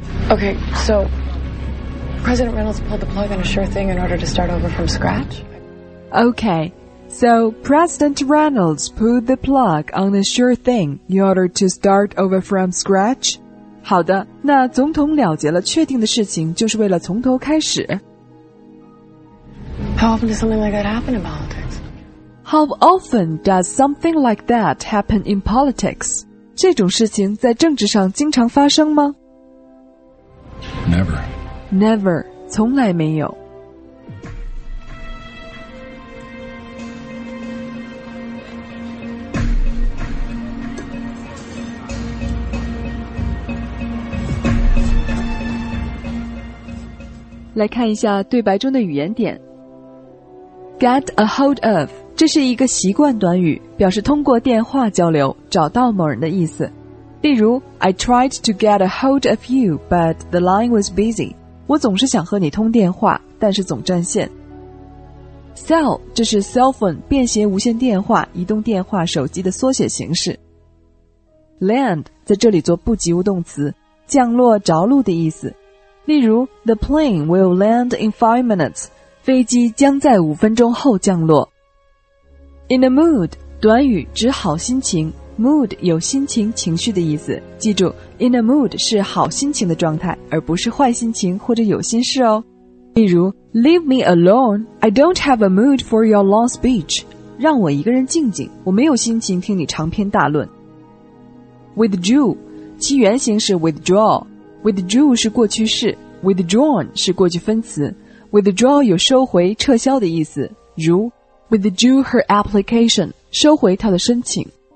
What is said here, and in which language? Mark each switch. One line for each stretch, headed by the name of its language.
English: Okay, so President Reynolds pulled the plug on a sure thing in order to start over from scratch? Okay. So, President Reynolds pulled the plug on a sure thing in order to start over from scratch?
Chinese: 好的，那总统了结了确定的事情就是为了从头开始。
English: How often does something like that happen in politics? How often does something like that happen in politics?
Chinese: 这种事情在政治上经常发生吗？
English: Never. Never.
Chinese: 从来没有。来看一下对白中的语言点。
English: Get a hold of
Chinese: 这是一个习惯短语，表示通过电话交流找到某人的意思。
English: 例如 I tried to get a hold of you but the line was busy.
Chinese: 我总是想和你通电话，但是总占线。Cell 这是 cell phone 便携无线电话、移动电话、手机的缩写形式。 Land 在这里做不及物动词，降落、着陆的意思。
English: 例如 The plane will land in 5 minutes.
Chinese: 飞机将在五分钟后降落。 In a mood 短语指好心情， mood 有心情、情绪的意思。记住 in a mood 是好心情的状态，而不是坏心情或者有心事哦。
English: 例如 Leave me alone, I don't have a mood for your long speech.
Chinese: 让我一个人静静，我没有心情听你长篇大论。 Withdrew, 其原型是 withdraw. Withdrew 是过去式， withdrawn 是过去分词。 Withdraw 有收回、撤销的意思，如
English: withdrew her application,
Chinese: 收回她的申请。